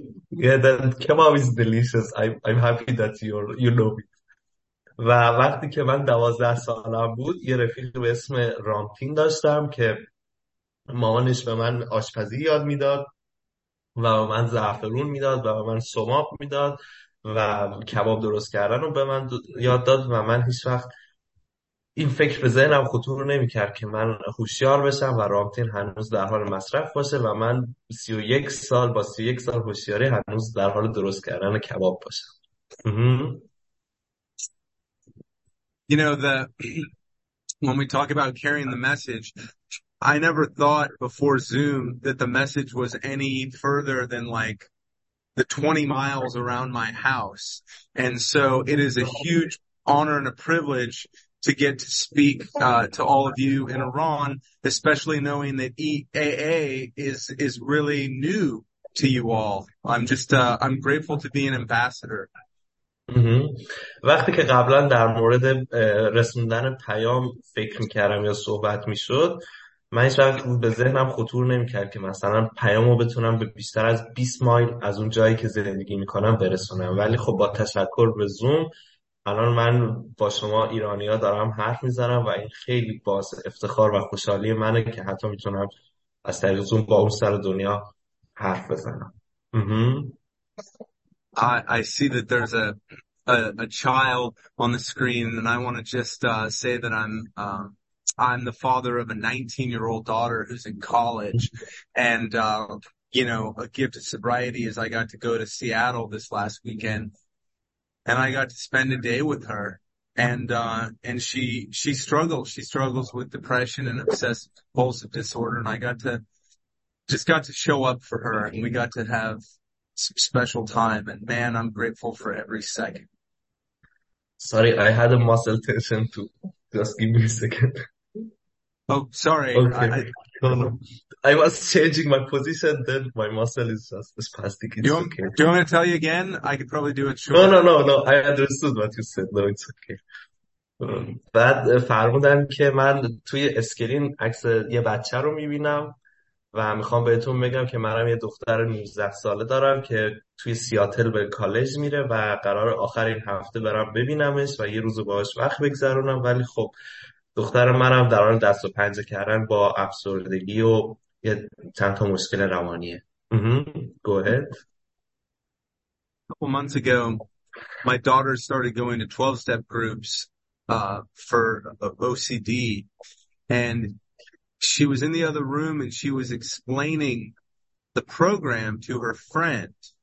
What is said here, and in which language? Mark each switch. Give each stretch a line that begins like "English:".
English: Yeah, that kebab is delicious. I'm happy that you know it.
Persian: و وقتی که من 12 سالم بود یه رفیق به اسم رامتین داشتم که مامانش به من آشپزی یاد میداد و به من زعفرون میداد و به من سماق میداد و کباب درست کردن رو به من یاد داد و من هیچ وقت این فکر به ذهنم خطور نمی کرد که من هوشیار بشم و رامتین هنوز در حال مصرف باشه و من 31 سال با 31 سال هوشیاری هنوز در حال درست کردن کباب باشم.
English: You know, when we talk about carrying the message, I never thought before Zoom that the message was any further than like the 20 miles around my house. And so it is a huge honor and a privilege to get to speak to all of you in Iran, especially knowing that AA is really new to you all. I'm grateful to be an ambassador.
Persian: وقتی که قبلا در مورد رسوندن پیام فکر میکردم یا صحبت میشد من هیچ وقت به ذهنم خطور نمیکرد که مثلا پیامو بتونم به بیشتر از 20 مایل از اون جایی که زندگی میکنم برسونم، ولی خب با تشکر به زوم الان من با شما ایرانی ها دارم حرف میزنم و این خیلی باز افتخار و خوشحالی منه که حتی میتونم از طریق زوم با اون سر دنیا حرف بزنم.
English: I see that there's a child on the screen, and I want to just say that I'm the father of a 19-year-old daughter who's in college, and you know, a gift of sobriety is I got to go to Seattle this last weekend, and I got to spend a day with her, and she struggles with depression and obsessive compulsive disorder, and I got to show up for her, and we got to have some special time, and man, I'm grateful for every second. Sorry, I had a muscle tension too. Just give me a second. Oh, sorry. Okay. I was changing my position, then my muscle is just spastic. It's okay. Do you want me to tell you again? I could probably do it shorter. No. I understood what you said. No, it's okay.
Persian: بعد فرمودن که من توی اسکرین عکس یه بچه رو میبینم و میخوام بهتون بگم که منم یه دختر 19 ساله دارم که توی سیاتل به کالج میره و قرار آخر این هفته برم ببینمش و یه روز باهاش وقت بگذرونم، ولی خب دختر منم در حال دست و پنجه کردن با افسردگی و یه چند تا مشکل روانیه.
English: Go ahead. Couple months ago, my daughter started going to 12-step groups for OCD, and she was in the other room and she was explaining the program to her friend.